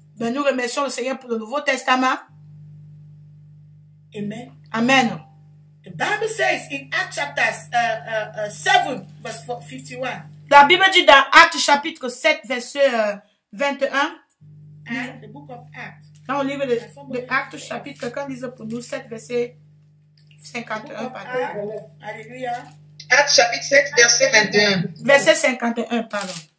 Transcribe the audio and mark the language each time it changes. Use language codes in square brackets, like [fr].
[fr] Ben nous remercions le Seigneur pour le Nouveau Testament. [en] Amen. [fr] Amen. [en] The Bible says in Acts chapter 7 verse 51. [fr] La Bible dit dans Actes chapitre 7 verset 21. [en] The book of Acts. [fr] Dans le livre de Actes chapitre, quelqu'un lise pour nous 7 verset 51. Pardon. Alléluia. Actes chapitre 7 verset 21. Verset 51, pardon.